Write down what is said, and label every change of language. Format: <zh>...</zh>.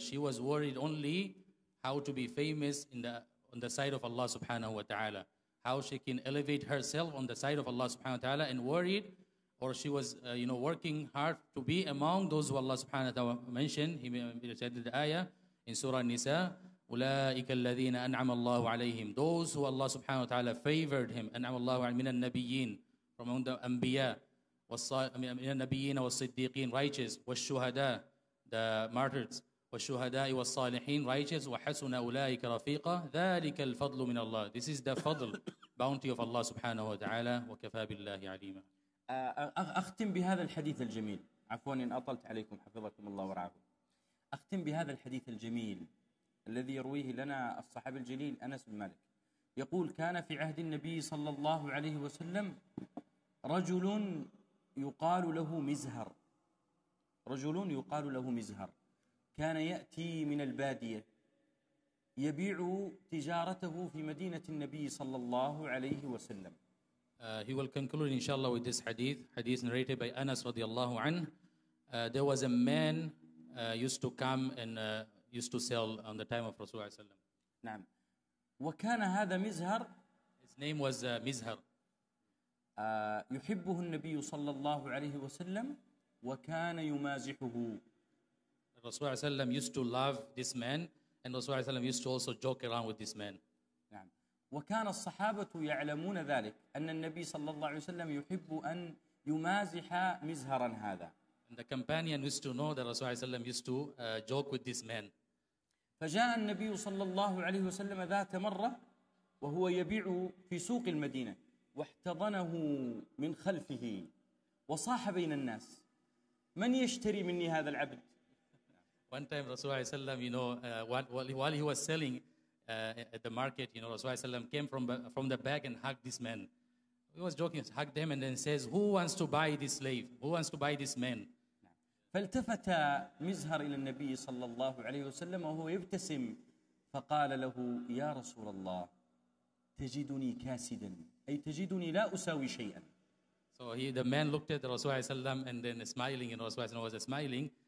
<en>She was worried only how to be famous on the side of Allah subhanahu wa ta'ala. How she can elevate herself on the side of Allah subhanahu wa ta'ala and worried, or she was working hard to be among those who Allah subhanahu wa ta'ala mentioned. He said the ayah in Surah Nisa,</en> <ar>أُولَٰئِكَ الَّذِينَ أَنْعَمَ اللَّهُ عَلَيْهِمْ.</ar> <en>Those who Allah subhanahu wa ta'ala favored him,</en> <ar>أَنْعَمَ اللَّهُ عَلَيْهِمْ مِنَ النَّبِيِّينَ,</ar> <en>from among the anbiya,</en> <ar>مِنَ النَّبِيِّينَ وَالصِّدِّيقِينَ,</ar> <en>righteous,</en> <ar>وَالشُّهَدَاء,</ar> <en>the martyrs,</en> <ar>والشهداء والصالحين righteous وحسن أولئك رفيقا ذلك الفضل من الله.</ar> <en>This is the فضل bounty of Allah</en> <ar>سبحانه وتعالى وكفى بالله عليما. أختم بهذا الحديث الجميل, عفوا إن أطلت عليكم حفظكم الله ورعاكم. أختم بهذا الحديث الجميل الذي يرويه لنا الصحابي الجليل أنس بن مالك. يقول كان في عهد النبي صلى الله عليه وسلم رجل يقال له مزهر, رجل يقال له مزهر كان يأتي من البادية يبيع تجارته في مدينة النبي صلى الله عليه وسلم.</ar> <en>He will conclude inshallah with this hadith narrated by Anas</en> <ar>رضي الله عنه.</ar> <en>There was a man used to come and used to sell on the time of Rasulullah sallam.</en> <ar>نعم. وكان هذا مزهر.</ar> <en>His name was Mizhar.</en> <ar>يحبه النبي صلى الله عليه وسلم وكان يمازحه.</ar> <en>Rasulullah sallam used to love this man, and Rasulullah sallam used to also joke around with this man.</en> <ar>نعم. وكان الصحابة يعلمون ذلك أن النبي صلى الله عليه وسلم يحب أن يمازح مزهرا هذا.</ar> <en>And the companion used to know that Rasulullah sallam used to joke with this man.</en> <ar>فجاء النبي صلى الله عليه وسلم ذات مرة وهو يبيع في سوق المدينة واحتضنه من خلفه وصاح بين الناس من يشتري مني هذا العبد.</ar> <en>One time Rasulullah sallam, you know, while he was selling at the market, you know, Rasulullah sallam came from the back and hugged this man. He was joking, hugged them, and then says, "Who wants to buy this slave? Who wants to buy this man?"</en> <ar>فالتفت مزهر إلى النبي صلى الله عليه وسلم وهو يبتسم فقال له يا رسول الله تجدني كاسدا أي تجدني لا أساوي شيئا.</ar> <en>So the man looked at the Rasulullah sallam and then smiling, and Rasulullah sallam was smiling.</en>